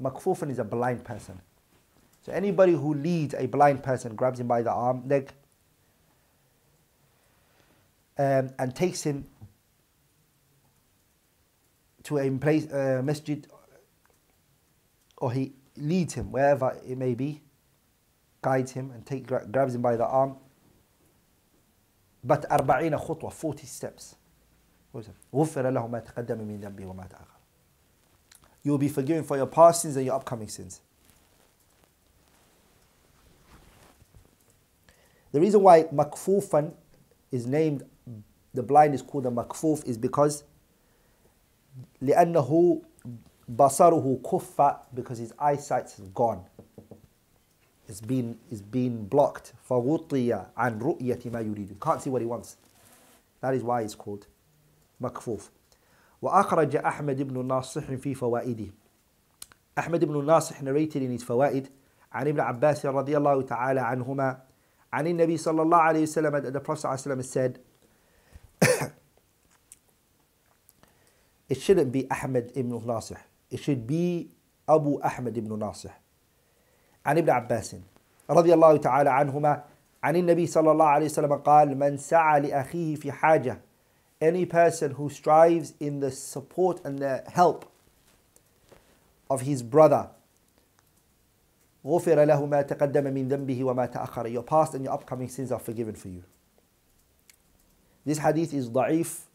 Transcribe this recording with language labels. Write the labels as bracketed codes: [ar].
[en] مكفوفاً is a blind person. So anybody who leads a blind person, grabs him by the arm, leg, and takes him to a place, a masjid, or he leads him, wherever it may be, guides him and grabs him by the arm. But 40 خطوة, 40 steps. [ar] غفر له ما تقدم من ذنبه وما تأخر. [en] You will be forgiven for your past sins and your upcoming sins. The reason why makfufan is named, the blind is called a makfuf, is because [ar] لأنه بصره كفى, [en] because his eyesight is gone. It's been blocked. [ar] فغطي عن رؤية ما يريد. [en] Can't see what he wants. That is why it's called مكفوف. [ar] وأخرج أحمد بن ناصح في فوائده. أحمد بن ناصح [en] narrated in his [ar] فوائد عن ابن عباس رضي الله تعالى عنهما عن النبي صلى الله عليه وسلم [en] that the Prophet صلى الله عليه وسلم said it shouldn't be Ahmed ibn Nasih. It should be Abu Ahmed ibn Nasih. [ar] عن ابن عباس رضي الله تعالى عنهما عن النبي صلى الله عليه وسلم قال من سعى لأخيه في حاجة. [en] Any person who strives in the support and the help of his brother, [ar] غفر له ما تقدم من ذنبه وما تأخر. [en] Your past and your upcoming sins are forgiven for you. This hadith is ضعيف.